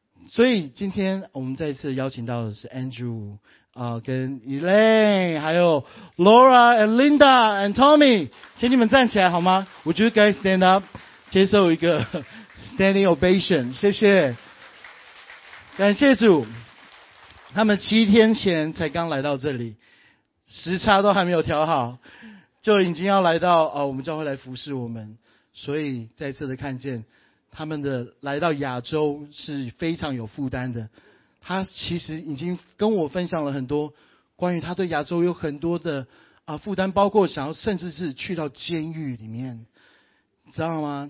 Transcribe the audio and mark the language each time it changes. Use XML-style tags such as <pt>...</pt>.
<zh>所以今天我们再次邀请到的是 Andrew 跟 Elaine 还有 Laura and Linda and Tommy， 请你们站起来好吗？</zh> <en>Would you guys stand up，</en> <zh>接受一个</zh> <en>standing ovation，</en> <zh>谢谢，感谢主。他们七天前才刚来到这里，时差都还没有调好，就已经要来到我们教会来服侍我们，所以再次的看见他们的来到亚洲是非常有负担的。他其实已经跟我分享了很多关于他对亚洲有很多的负担，包括想要甚至是去到监狱里面，知道吗？</zh>